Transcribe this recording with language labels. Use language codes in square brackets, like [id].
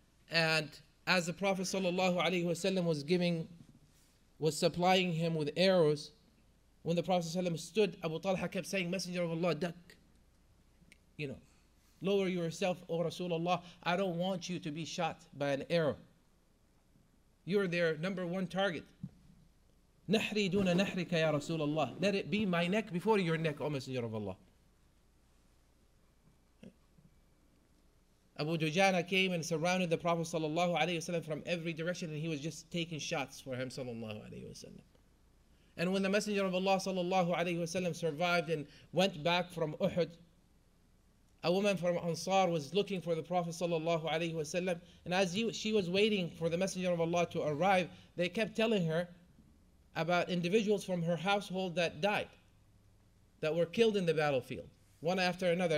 [en] And as the Prophet sallallahu alayhi wasallam was supplying him with arrows, when the Prophet sallallahu alayhi wasallam stood, Abu Talha kept saying, "Messenger of Allah, duck. You know, lower yourself, O Rasulullah. I don't want you to be shot by an arrow. You're their number one target. [ar] نحري دون نحرك يا رسول الله. [en] Let it be my neck before your neck, O Messenger of Allah." Abu Dujana came and surrounded the Prophet sallallahu alayhi wasallam from every direction, and he was just taking shots for him sallallahu alayhi wasallam. And when the Messenger of Allah sallallahu alayhi wasallam survived and went back from Uhud, a woman from Ansar was looking for the Prophet sallallahu alayhi wasallam, and as she was waiting for the Messenger of Allah to arrive, they kept telling her about individuals from her household that died, that were killed in the battlefield, one after another.